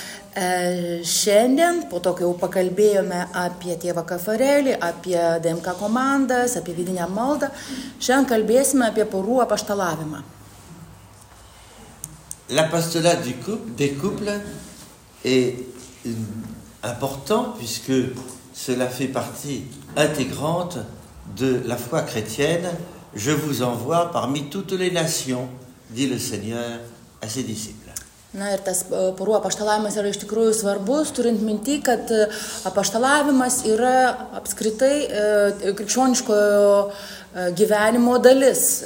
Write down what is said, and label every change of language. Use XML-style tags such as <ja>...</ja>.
<lt>Šiandien, po to, kai jau pakalbėjome apie tėvą Kafarelį, apie DMK komandas, apie vidinę maldą, šiandien kalbėsime apie porų apaštalavimą.</lt> <fr>L'apostolat du couple, des couples est important puisque cela fait partie intégrante de la foi chrétienne. Je vous envoie parmi toutes les nations, dit le Seigneur à ses disciples.</fr> <lt>Na ir tas porų apaštalavimas yra iš tikrųjų svarbus, turint mintį, kad apaštalavimas yra apskritai krikščioniškojo gyvenimo dalis.</lt>